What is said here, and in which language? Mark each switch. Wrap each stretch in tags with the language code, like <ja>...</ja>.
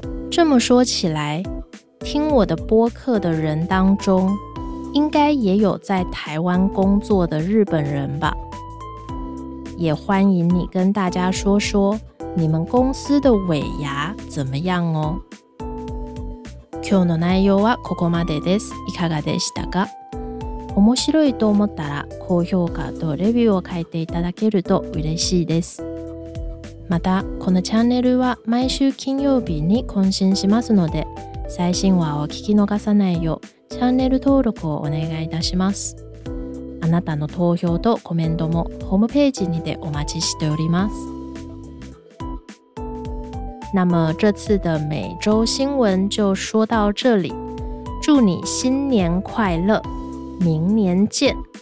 <zh>这么说起来，听我的播客的人当中，应该也有在台湾工作的日本人吧？也欢迎你跟大家说说你们公司的尾牙怎么样哦。</zh> <ja>今日の内容はここまでです。いかがでしたか？面白いと思ったら高評価とレビューを書いていただけると嬉しいです。またこのチャンネルは毎週金曜日に更新しますので、最新話を聞き逃さないようチャンネル登録をお願いいたします。あなたの投票とコメントもホームページにてお待ちしております。</ja> <zh>那么这次的每周新闻就说到这里，祝你新年快乐，明年见。</zh>